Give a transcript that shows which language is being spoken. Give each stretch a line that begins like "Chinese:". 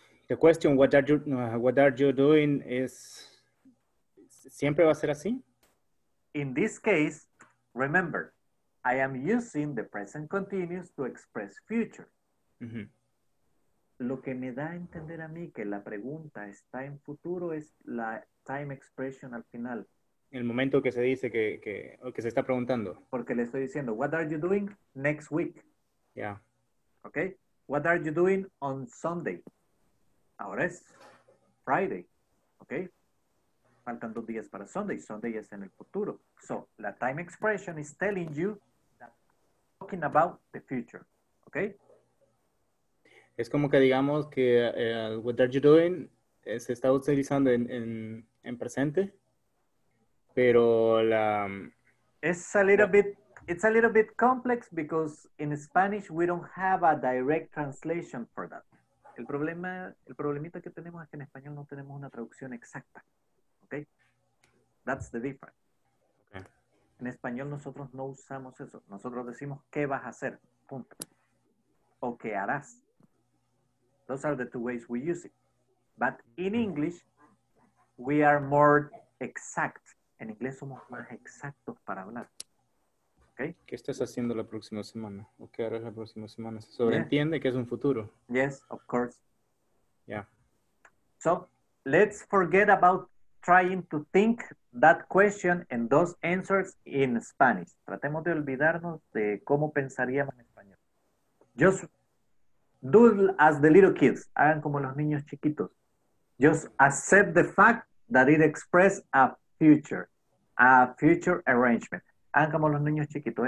English: The question, what are you doing is,
Spanish: ¿siempre va a ser así?
English: In this case, remember, I am using the present continuous to express future. Mm-hmm.
Spanish: Lo que me da a entender a mí que la pregunta está en futuro es la time expression al final. El momento que se dice que se está preguntando. Porque le estoy diciendo,
English: what are you doing next week? Yeah. Okay. What are you doing on Sunday?
Spanish: Ahora es
English: Friday. Okay.
Spanish: Faltan 2 días para Sunday. Sunday es en el futuro.
English: So, la time expression is telling you that talking about the future. Okay.
Spanish: Es como que digamos que
English: what are you doing
Spanish: se está utilizando en presente. Pero la...
English: It's a little bit complex because in Spanish we don't have a direct translation for that.
Spanish: El problemita que tenemos es que en español no tenemos una traducción exacta. Okay? That's the difference. Okay. En español nosotros no usamos eso. Nosotros decimos qué vas a hacer, punto. O qué harás.
English: Those are the two ways we use it. But in English, we are more exact.
Spanish: En inglés somos más exactos para hablar. Okay? ¿Qué estás haciendo la próxima semana? ¿O qué harás la próxima semana? ¿Se sobreentiende que es un futuro?
English: Yes, of course. Yeah. So, let's forget about trying to think that question and those answers in Spanish.
Spanish: Tratemos de olvidarnos de cómo pensaríamos en español.
English: Just do as the little kids.
Spanish: Hagan como los niños chiquitos.
English: Just accept the fact that it expresses a future arrangement.
Spanish: Hagan como los niños chiquitos.